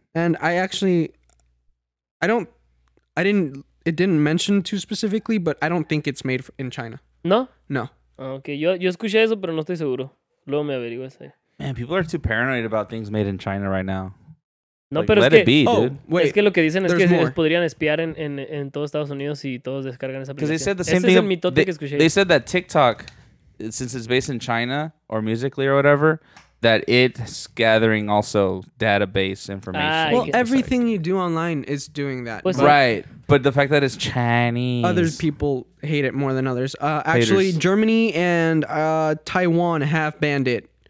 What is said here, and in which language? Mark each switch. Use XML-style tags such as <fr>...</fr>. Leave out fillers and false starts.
<en>And I actually... It didn't mention too specifically, but I don't think it's made in China. No? No.</en> <es>Okay. Yo escuché eso, pero no estoy seguro. Luego me averiguas ahí.</es> <en>Man, people are too paranoid about things made in China right now. No, like,</en> <es>pero</es> <en>let</en> <es>es que,</es> <en>it be, oh, dude. Wait,</en> <es>es que lo que dicen es que ellos podrían espiar en todo Estados Unidos y todos descargan esa aplicación.</es> <en>Because they said the same thing.</en> <es>Es el mitote que escuché.</es> <en>They said that TikTok, since it's based in China or Musical.ly or whatever, that it's gathering also database information. Well, everything you do online is doing that. But right. But the fact that it's Chinese. Other people hate it more than others. Actually, haters. Germany and Taiwan have banned it.</en>